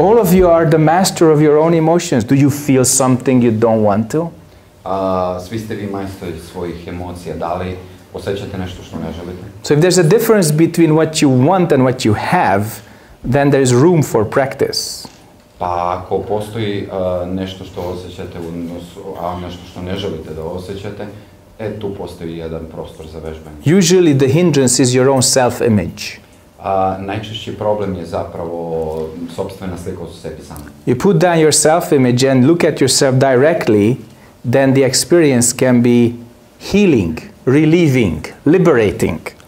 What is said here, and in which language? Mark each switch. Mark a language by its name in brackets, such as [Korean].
[English] All of you are the master of your own emotions. Do you feel something you don't want to? [Serbian] Svi ste vi majstori svojih emocija. Da li osjećate nešto što ne želite? [English] So if there's a difference between what you want and what you have, then there is room for practice. [Serbian] Pa ako postoji nešto što osjećate, a nešto što ne želite da osjećate, tu postoji jedan prostor za vežbanje. [English] Usually the hindrance is your own self-image. [Serbian] Najčešći problem je zapravo sopstvena slika o sebi samom. [English] You put down your self-image and look at yourself directly, then the experience can be healing, relieving, liberating.